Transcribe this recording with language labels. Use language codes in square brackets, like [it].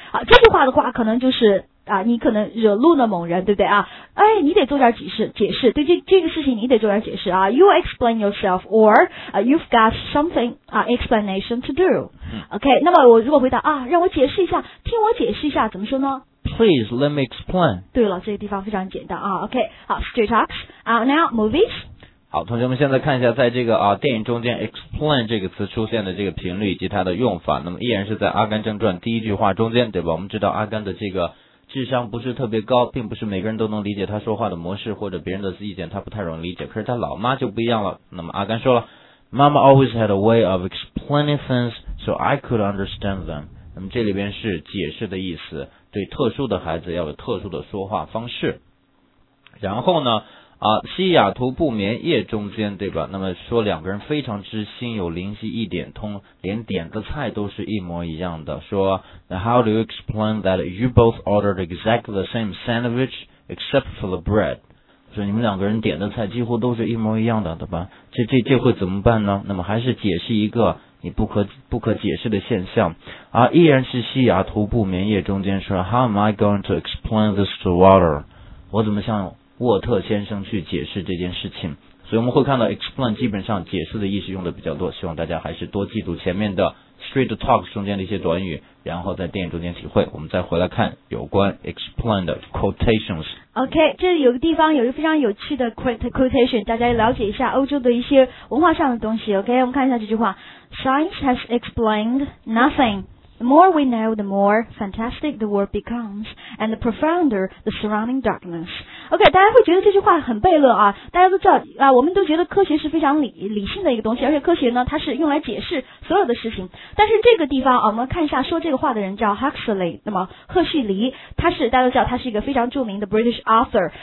[zh] 好，这句话的话可能就是你可能惹怒了某人，对不对啊？哎，你得做点解释，对这个事情你得做点解释啊。 [en] You explain yourself, or you've got something explanation to do. [zh] OK, 那么我如果回答啊，让我解释一下，听我解释一下，怎么说呢 [en] ？Please let me explain. [zh] 对了，这个地方非常简单啊。 [en] OK, 好 ，Straight talks. Now movies. [zh] 好，同学们现在看一下，在这个电影中间 explain 这个词出现的这个频率以及它的用法。那么依然是在《阿甘正传》第一句话中间，对吧？我们知道阿甘的这个。智商不是特别高，并不是每个人都能理解他说话的模式或者别人的意见，他不太容易理解。可是他老妈就不一样了。那么阿甘说了 [en] ，Mama always had a way of explaining things so I could understand them。 [zh] 那么这里边是解释的意思，对特殊的孩子要有特殊的说话方式。然后呢，西雅图不眠夜中间，对吧？那么说两个人非常之心有灵犀一点通，连点的菜都是一模一样的。说 [en] ，How do you explain that you both ordered exactly the same sandwich except for the bread？ [zh] 说你们两个人点的菜几乎都是一模一样的，对吧？这会怎么办呢？那么还是解释一个你不可解释的现象。依然是西雅图不眠夜中间说 [en] ，How am I going to explain this to Walter？ [zh] 我怎么向沃特先生去解释这件事情，所以我们会看到 explain 基本上解释的意思用的比较多，希望大家还是多记住前面的 straight talk 中间的一些短语，然后在电影中间体会，我们再回来看有关 explain 的 quotations。 OK, 这里有个地方有一个非常有趣的 quotation, 大家了解一下欧洲的一些文化上的东西。 [en] OK, [zh] 我们看一下这句话 [en] ,Science has explained nothing. The more we know, the more fantastic the world becomes, and the profounder the surrounding darkness. [zh] OK, 大家会觉得这句话很悖论啊，大家都知道啊，我们都觉得科学是非常理性的一个东西，而且科学呢，它是用来解释所有的事情。但是这个地方啊，我们看一下说这个话的人叫 Huxley, 那么赫胥黎，大家都知道他是一个非常著名的 [en] British author。